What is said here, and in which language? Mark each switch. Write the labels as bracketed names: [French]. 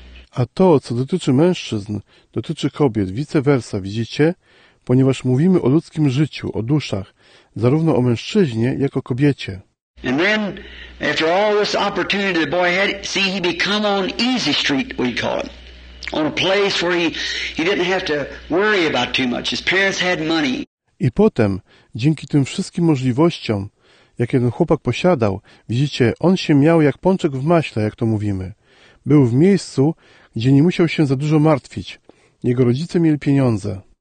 [Polish] A to, co dotyczy mężczyzn, dotyczy kobiet, vice versa, widzicie? Ponieważ mówimy o ludzkim życiu, o duszach, zarówno o mężczyźnie, jak o kobiecie. [English] And then, after all this opportunity the boy had, see, he become on easy street, we call it. On a place where he didn't have to worry about too much. His parents had money. [Polish] I potem, dzięki tym wszystkim możliwościom, jakie ten chłopak posiadał, widzicie, on się miał jak pączek w maśle, jak to mówimy. Był w miejscu, gdzie nie musiał się za dużo martwić. Jego rodzice mieli pieniądze.